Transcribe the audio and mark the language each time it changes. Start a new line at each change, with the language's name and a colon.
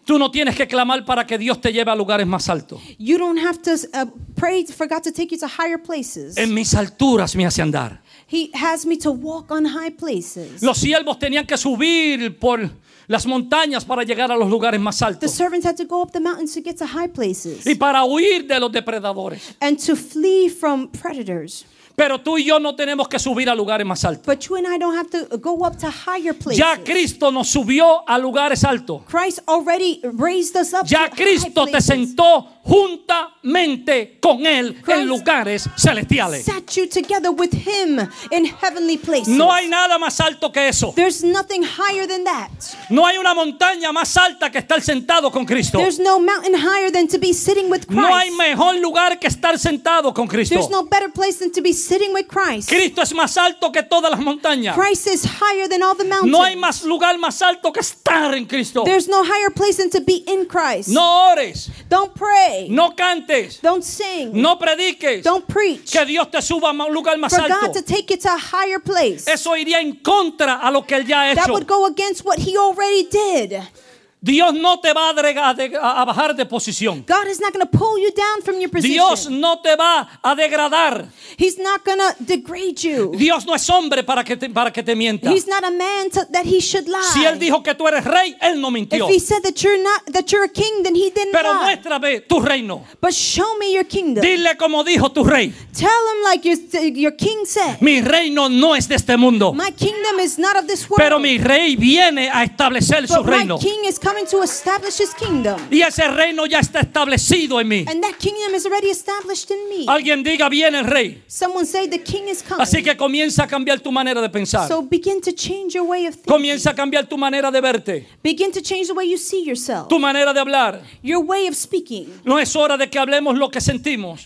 Spanish: Tú no tienes que clamar para que Dios te lleve a lugares más altos.
English: You don't have to pray for God to take you to higher places.
Spanish: En mis alturas me hace andar.
English: He has me to walk on high places.
Spanish: Los siervos tenían que subir por las montañas para llegar a los lugares más altos.
English: The servants had to go up the mountains to get to high places.
Spanish: Y para huir de los depredadores.
English: And to flee from predators.
Spanish: Pero tú y yo no tenemos que subir a lugares más altos.
English: But you and I don't have to go up to higher places.
Spanish: Ya Cristo nos subió a lugares altos.
English: Christ already raised us up.
Spanish: Ya Cristo te sentó juntamente con él en lugares celestiales.
English: Set you together with him in heavenly places.
Spanish: No hay nada más alto que eso.
English: There's nothing higher than that.
Spanish: No hay una montaña más alta que estar sentado con Cristo.
English: There's no mountain higher than to be sitting with Christ.
Spanish: No hay mejor lugar que estar sentado con Cristo.
English: There's no better place than to be sitting with Christ.
Spanish: Cristo es más alto que todas las montañas.
English: Christ is higher than all the mountains.
Spanish: No hay más lugar más alto que estar en Cristo.
English: There's no higher place than to be in Christ.
Spanish: No ores.
English: Don't pray.
Spanish: No cantes.
English: Don't sing.
Spanish: No prediques.
English: Don't preach.
Spanish: Que Dios te suba a un lugar más
English: for
Spanish: alto.
English: For God to take you to a higher place.
Spanish: Eso iría en contra a lo que él ya ha hecho.
English: That would go against what he already did.
Spanish: Dios no te va a bajar de posición.
English: God is not going to pull you down from your position.
Spanish: Dios no te va a degradar.
English: He's not going to degrade you.
Spanish: Dios no es hombre para que te mienta.
English: He's not a man that he should lie.
Spanish: Si él dijo que tú eres rey, él no mintió.
English: If he said that you're a king, then he didn't
Spanish: pero
English: lie.
Spanish: Pero muéstrame tu reino.
English: But show me your kingdom.
Spanish: Dile como dijo tu rey.
English: Tell him like your king said.
Spanish: Mi reino no es de este mundo.
English: My kingdom is not of this world.
Spanish: Pero mi rey viene a establecer
English: but
Spanish: su reino.
English: But my king is coming to establish his kingdom.
Spanish: Y ese reino ya está establecido en mí.
English: And that kingdom is already established in me.
Spanish: Alguien diga, viene el rey.
English: Someone say the king is coming.
Spanish: Así que comienza a cambiar tu manera de pensar.
English: So begin to change your way of thinking.
Spanish: Comienza a cambiar tu manera de verte.
English: Begin to change the way you see yourself.
Spanish: Tu manera de hablar.
English: Your way of speaking.
Spanish: No es hora de que hablemos lo que sentimos.